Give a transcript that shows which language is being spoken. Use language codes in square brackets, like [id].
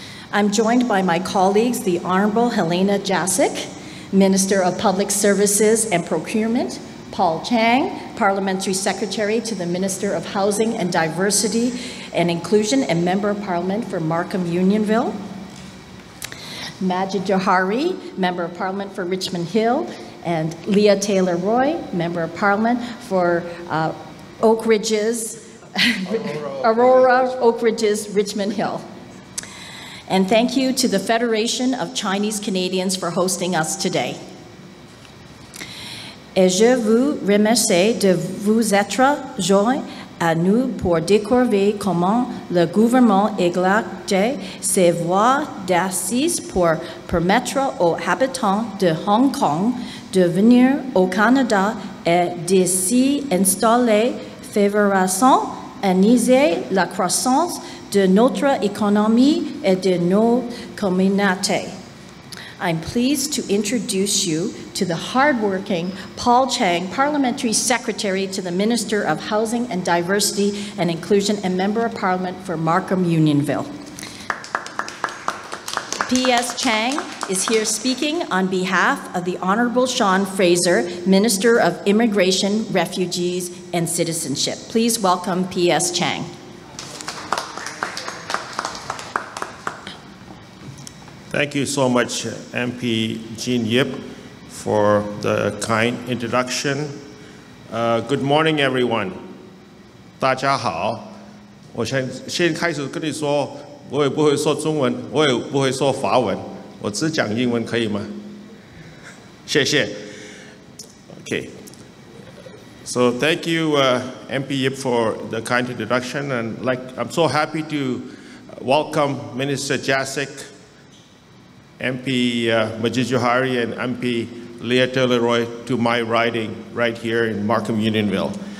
[en] I'm joined by my colleagues, the Honorable Helena Jasek, Minister of Public Services and Procurement, Paul Chang, Parliamentary Secretary to the Minister of Housing and Diversity and Inclusion and Member of Parliament for Markham Unionville, Majid Johari, Member of Parliament for Richmond Hill, and Leah Taylor Roy, Member of Parliament for Oak Ridges, Aurora, Oak Ridges, Richmond Hill. And thank you to the Federation of Chinese Canadians for hosting us today. [fr] Et je vous remercie de vous être joint à nous pour découvrir comment le gouvernement élargit ses voies d'assises pour permettre aux habitants de Hong Kong de venir au Canada et de s'y installer, favorisant ainsi la croissance de notre économie et de nos communautés. [en] I'm pleased to introduce you to the hardworking Paul Chang, Parliamentary Secretary to the Minister of Housing and Diversity and Inclusion and Member of Parliament for Markham Unionville. P.S. Chang is here speaking on behalf of the Honorable Sean Fraser, Minister of Immigration, Refugees and Citizenship. Please welcome P.S. Chang. Thank you so much, MP Jean Yip, for the kind introduction. Good morning, everyone. [zh] 大家好，我先开始跟你说，我也不会说中文，我也不会说法文，我只讲英文，可以吗？谢谢。Okay. [en] So thank you, MP Yip, for the kind introduction, and like I'm so happy to welcome Minister Jasek, MP Majid Johari and MP Leah Taylor-Roy to my riding right here in Markham Unionville.